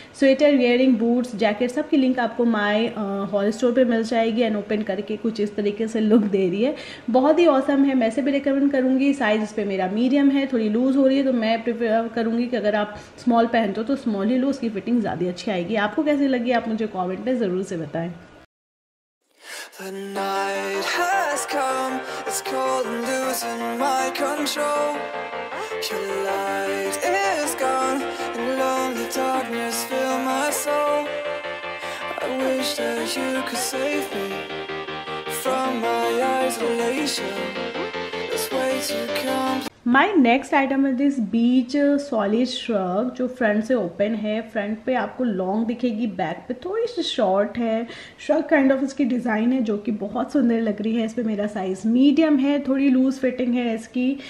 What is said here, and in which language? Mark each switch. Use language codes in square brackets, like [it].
[hi] Sweater, earring, boots, jacket सब की link आपको माय हॉल स्टोर पे मिल जाएगी। एंड ओपन करके कुछ इस तरीके से लुक दे रही है, बहुत ही ऑसम है। मैं से भी रिकमेंड करूँगी। साइज़ इस पे मेरा मीडियम है, थोड़ी लूज़ हो रही है, तो मैं प्रिफर करूँगी कि अगर आप स्मॉल पहनते हो तो स्मॉल ही लो, उसकी फिटिंग ज़्यादा अच्छी आएगी। आपको कैसी लगी आप मुझे कॉमेंट में ज़रूर से बताएँ। [en] The night has come, it's cold and losing my control. Your light is gone, and lonely darkness fills my soul. I wish that you could save me from my isolation. It's way too complex. My next item is this beach solid shrug, [hi] जो front से open है। Front पे आपको long दिखेगी, back पे थोड़ी सी short है। Shrug kind of इसकी डिज़ाइन है, जो कि बहुत सुंदर लग रही है। इस पे मेरा साइज़ मीडियम है, थोड़ी लूज फिटिंग है इसकी।